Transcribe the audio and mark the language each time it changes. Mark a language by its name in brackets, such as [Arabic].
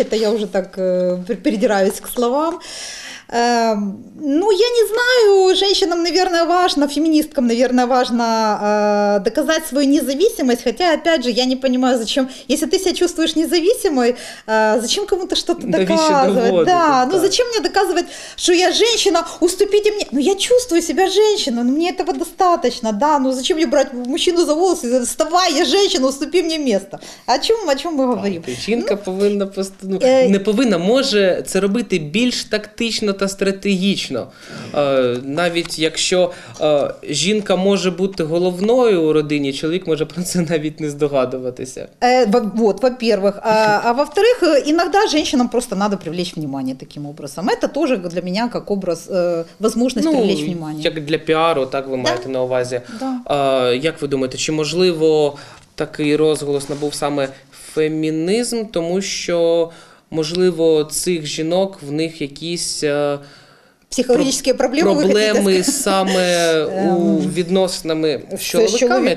[Russian] Это я уже так придираюсь к словам. Ну, я не знаю, женщинам, наверное, важно, феминисткам, наверное, важно доказать свою независимость, хотя, опять же, я не понимаю, зачем, если ты себя чувствуешь независимой, зачем кому-то что-то доказывать? [Ukrainian] Доводу, да, ну так. [Russian] Зачем мне доказывать, что я женщина, уступите мне, ну, я чувствую себя женщиной, ну, мне этого достаточно, да, ну, зачем мне брать мужчину за волосы, вставай, я женщина, уступи мне место. О чем мы говорим? [Ukrainian] Жінка повинна, не повинна, може це робити більш тактично, та стратегічно. Навіть якщо жінка може бути головною у родині, чоловік може про це навіть не здогадуватися. [Russian] Во-первых. А во-вторых, [Ukrainian] іноді жінкам просто треба [Russian] привлечь внимание таким образом. Это тоже [Ukrainian] для мене [Russian] как образ, возможность привлечь внимание. [Ukrainian] Як для піару, так ви маєте да? на увазі. Да. Як ви думаєте, чи можливо такий розголос набув саме фемінізм, тому що можливо, цих жінок в них якісь психологічні проблеми саме у відносинами з чоловіками.